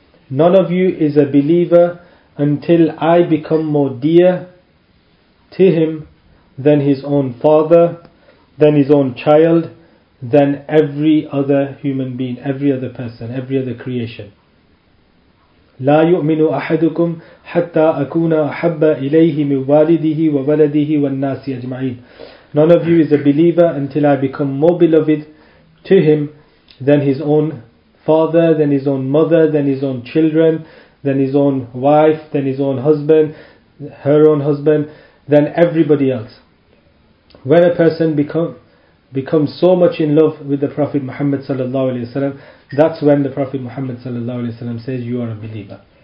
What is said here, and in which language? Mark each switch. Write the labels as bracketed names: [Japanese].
[English] None of you is a believer until I become more dear to him than his own father, than his own child, than every other human being, every other person, every other creation. [Arabic] لا يؤمن أحدكم حتى أكون أحب إليه من والده وولده والناس أجمعين. [English] None of you is a believer until I become more beloved to him than his own father, than his own mother, than his own children, than his own wife, than his own husband, her own husband, than everybody else. When a person becomes so much in love with the Prophet Muhammad sallallahu alaihi wasallam, that's when the Prophet Muhammad sallallahu alaihi wasallam says, you are a believer.